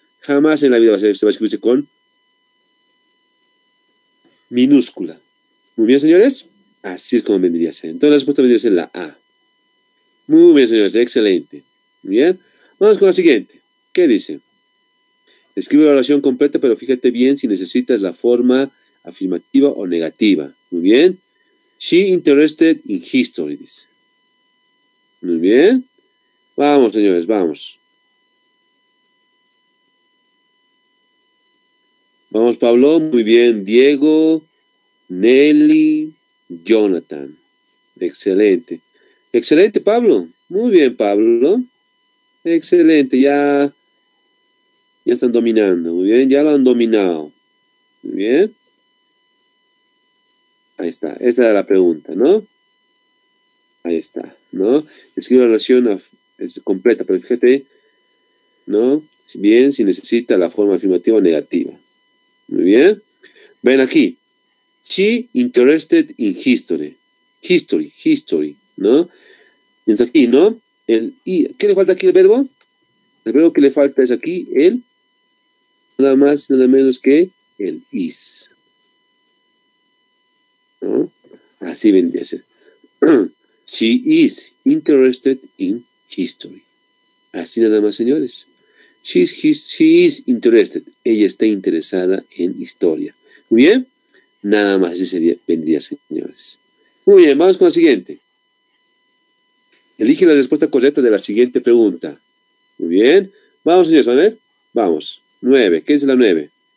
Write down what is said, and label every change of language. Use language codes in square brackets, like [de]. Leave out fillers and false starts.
[es] Jamás en la vida se va a escribirse con minúscula. ¿Muy bien, señores? Así es como vendría a ser. Entonces, la respuesta vendría a ser la A. Muy bien, señores. Excelente. ¿Muy bien? Vamos con la siguiente. ¿Qué dice? Escribe la oración completa, pero fíjate bien si necesitas la forma afirmativa o negativa. ¿Muy bien? [en] She interested in history, [es] dice. ¿Muy bien? Vamos, señores, vamos. Vamos, Pablo. Muy bien. Diego, Nelly, Jonathan. Excelente. Excelente, Pablo. Muy bien, Pablo. Excelente. Ya están dominando. Muy bien. Ya lo han dominado. Muy bien. Ahí está. Esa era la pregunta, ¿no? Ahí está, ¿no? Escribe la oración completa, pero fíjate, ¿no? Si bien, si necesita la forma afirmativa o negativa. Muy bien. Ven aquí. [en] She interested in history. [es] History, history, ¿no? Mientras aquí, ¿no? ¿Qué le falta aquí el verbo? El verbo que le falta es aquí el, nada más, nada menos que el is. ¿No? Así vendría a ser. [en] She is interested in history. [es] Así nada más, señores. [en] She is interested. [es] Ella está interesada en historia. Muy bien. Nada más, así sería, vendría, señores. Muy bien, vamos con la siguiente. Elige la respuesta correcta de la siguiente pregunta. Muy bien. Vamos, señores, a ver. Vamos. 9. ¿Qué es la 9?